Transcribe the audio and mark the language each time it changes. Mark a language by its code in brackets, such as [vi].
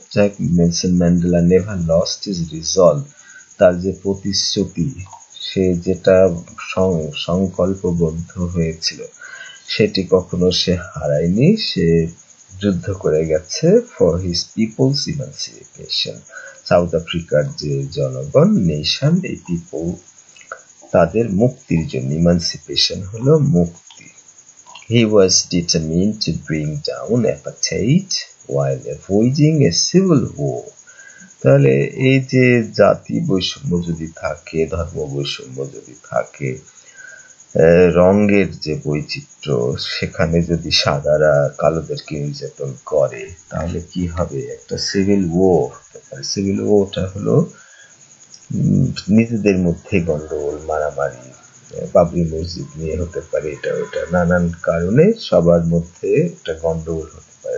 [bn] যাই হোক, Nelson Mandela [en] never lost his resolve, [bn] তার যে প্রতিশ্রুতি, সে যেটা সংকল্পবদ্ধ হয়েছিল সেটি কখনো সে হারায়নি, সে যুদ্ধ করে গেছে [en] for his people's emancipation, [bn] south আফ্রিকার যে জনগণ, নেশন, এই পিপল, তাদের মুক্তির জন্য, ইমানসিপেশন হলো মুক্তি। [en] He was determined to bring down apartheid while avoiding a civil war. [bn] তাহলে এই যে জাতি বৈষম্য যদি থাকে, ধর্ম বৈষম্য যদি থাকে, রঙের যে বৈচিত্র্য, সেখানে যদি সাদারা কালোদেরকে নির্যাতন করে, তাহলে কি হবে, একটা সিভিল ওয়ার। সিভিল ওয়ারটা হলো নিজেদের মধ্যে গন্ডগোল, মারামারি, বাবরি মসজিদ নিয়ে হতে পারে, এটা ওটা নানান কারণে সবার মধ্যে একটা গন্ডগোল হতে পারে,